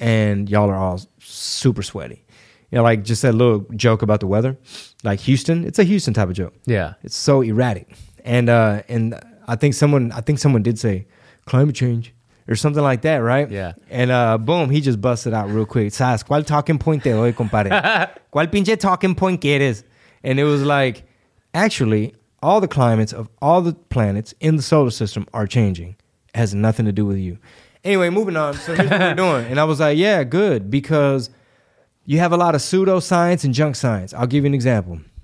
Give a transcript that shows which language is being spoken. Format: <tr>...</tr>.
<en>And y'all are all super sweaty. You know, like just that little joke about the weather, like Houston. It's a Houston type of joke. Yeah. It's so erratic. And I think someone did say climate change. Or something like that, right? Yeah. And boom, he just busted out real quick.</en> <es>Sas, ¿cuál talking point de hoy, compadre? ¿Cuál pinche talking point quieres?</es> <en>And it was like, actually, all the climates of all the planets in the solar system are changing. It has nothing to do with you. Anyway, moving on. So here's what we're doing. And I was like, yeah, good. Because you have a lot of pseudoscience and junk science. I'll give you an example.</en>